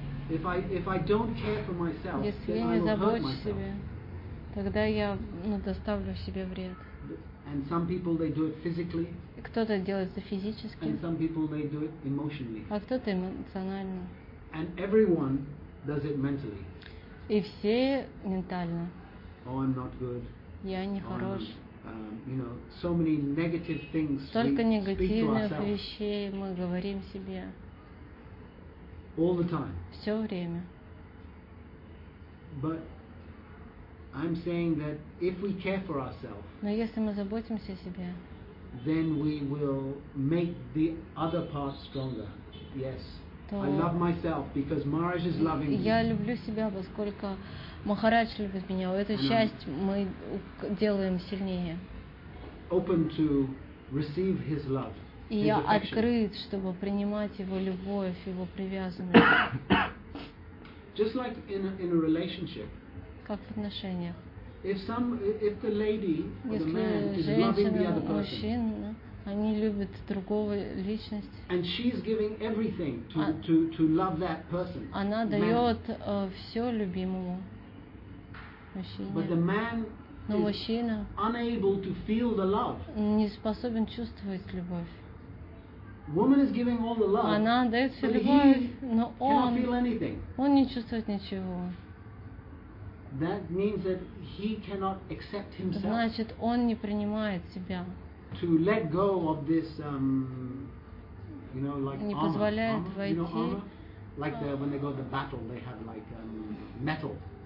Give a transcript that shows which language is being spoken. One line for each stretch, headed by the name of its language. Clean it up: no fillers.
English: If I don't care for myself, then I will hurt myself.
Russian: Если я не забочусь о себе, тогда я доставлю себе вред.
English: And some people they do it physically.
Russian: Кто-то делает это физически.
English: And some people they do it emotionally.
Russian: А кто-то эмоционально.
English: And everyone does it mentally.
Russian: И все ментально.
English: Oh, I'm not good.
Russian: Я не хорош.
English: You know, so many negative things.
Russian: Столько негативных вещей мы говорим себе.
English: All the time.
Russian: Все время.
English: But I'm saying that if we care for ourselves.
Russian: Но если мы заботимся о себе.
English: Then we will make the other part stronger. Yes. I love myself because Maharaj is loving me.
Russian: Я люблю себя, поскольку Махарадж любит меня. Эту часть мы делаем сильнее.
English: Open to receive his love.
Russian: И я открыт, чтобы принимать его любовь, его привязанность.
English: Just like in a relationship.
Russian: Как в отношениях.
English: If the lady or the man is loving the other person.
Russian: Мужчина, они любят другую личность.
English: And she's giving everything to love that person.
Russian: Она дает все любимому мужчине.
English: But the man.
Russian: Но мужчина.
English: Unable to feel the love.
Russian: Не способен чувствовать любовь.
English: Woman is giving all the love.
Russian: Она дает всю любовь, но он не чувствует ничего.
English: That means that he cannot accept himself.
Russian: Значит, он не принимает себя.
English: To let go of this, you know, like
Russian: не позволяет
English: armor,
Russian: войти.
English: You know, like when they go to the battle, they have like metal.